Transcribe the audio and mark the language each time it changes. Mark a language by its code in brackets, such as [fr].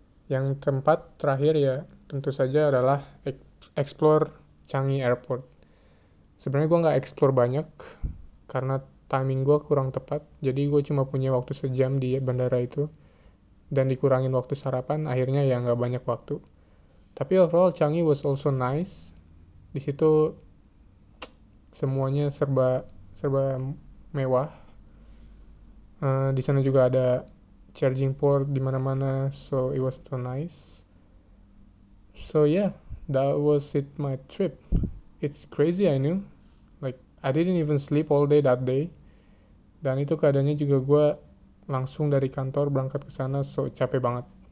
[id] Yang tempat terakhir ya tentu saja adalah explore Changi Airport. Sebenarnya gue nggak explore banyak karena timing gue kurang tepat. Jadi gue cuma punya waktu 1 jam di bandara itu. Dan dikurangin waktu sarapan, akhirnya ya nggak banyak waktu. [en] Tapi overall Changi was also nice. [id] Di situ semuanya serba mewah. Di sana juga ada charging port di mana-mana, so it was so nice. [en] So yeah, that was it my trip. It's crazy, I knew. Like, I didn't even sleep all day that day. [id] Dan itu keadaannya juga gue langsung dari kantor berangkat ke sana, so capek banget.